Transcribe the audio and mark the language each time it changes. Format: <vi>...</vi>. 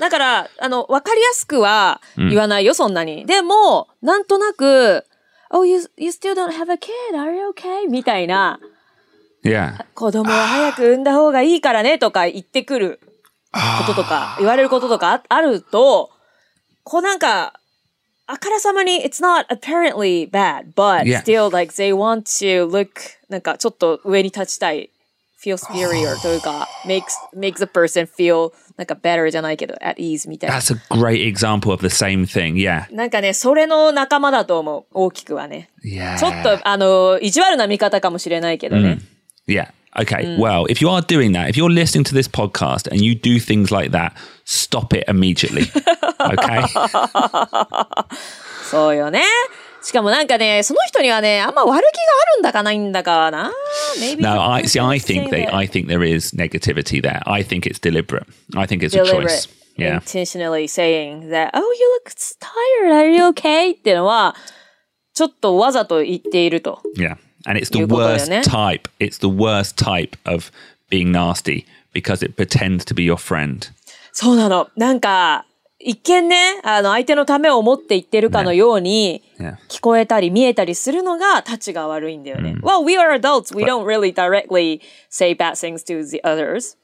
<ja>だから、あの、わかりやすくは言わないよ、そんなに。でも、なんとなく、</ja> <en>Oh, you still don't have a kid, are you okay?</en> <ja>みたいな。</ja> <en>Yeah.</en> <ja>子供を早く産んだ方がいいからね、とか言ってくることとか、言われることとかあると、こうなんか、あからさまに、</ja> <en>it's not apparently bad, but still, like, they want to look,</en> <ja>なんか、ちょっと上に立ちたい。</ja> <en>feel superior</en> <ja>というか、</ja> <en>makes the person feel, なんか better</en> <ja>じゃないけど、</ja> <en>at ease みたいな。 That's a great example of the same thing, yeah.</en> <ja>なんかね、それの仲間だと思う、大きくはね。 Yeah. ちょっと、あの、意地悪な見方かもしれないけどね。</ja> <en>Yeah. Okay. Well, if you are doing that, if you're listening to this podcast and you do things like that, stop it immediately. Okay?</en> <ja>そうよね。しかもなんかね、その人にはね、あんま悪気があるんだかないんだかな。</ja> <en>Maybe. No, I see. I think there is negativity there. I think it's deliberate. I think it's deliberate. A choice. Yeah. Intentionally saying that, oh, you look tired. Are you okay?</en> <ja>っていうのは、ちょっとわざと言っていると。</ja> <en>Yeah. And it's the worst type. It's the worst type of being nasty because it pretends to be your friend.</en> <ja>そうなの。なんか一見ね、あの相手のためを思って言ってるかのように聞こえたり見えたりするのがたちが悪いんだよね。</ja> <en>Well, we are adults. We don't really directly say bad things to the others.</en>